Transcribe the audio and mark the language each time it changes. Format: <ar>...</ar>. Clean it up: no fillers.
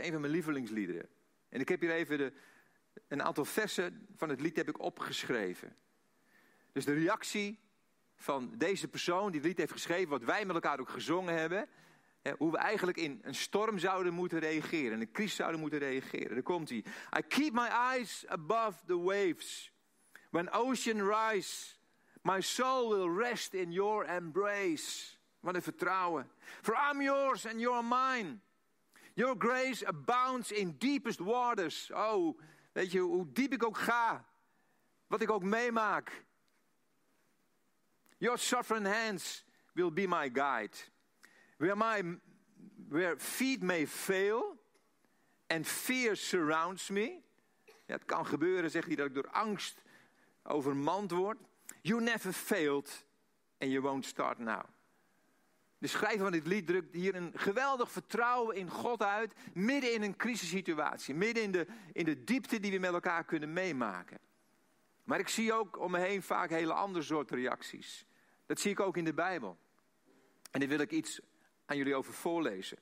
<nl>Het is een van mijn lievelingsliederen. En ik heb hier even een aantal versen van het lied heb ik opgeschreven. Dus de reactie van deze persoon die het lied heeft geschreven. Wat wij met elkaar ook gezongen hebben. Hoe we eigenlijk in een storm zouden moeten reageren. In een crisis zouden moeten reageren. Daar komt hij.</nl> <en>I keep my eyes above the waves. When ocean rise, my soul will rest in your embrace.</en> <nl>Wat een vertrouwen.</nl> <en>For I'm yours and you're mine. Your grace abounds in deepest waters.</en> <nl>Oh, weet je, hoe diep ik ook ga. Wat ik ook meemaak.</nl> <en>Your sovereign hands will be my guide. Where feet may fail and fear surrounds me.</en> <nl>Ja, het kan gebeuren, zegt hij, dat ik door angst overmand word.</nl> <en>You never failed and you won't start now.</en> <nl>De schrijver van dit lied drukt hier een geweldig vertrouwen in God uit. Midden in een crisissituatie. Midden in de diepte die we met elkaar kunnen meemaken. Maar ik zie ook om me heen vaak hele andere soorten reacties. Dat zie ik ook in de Bijbel. En daar wil ik iets aan jullie over voorlezen.</nl>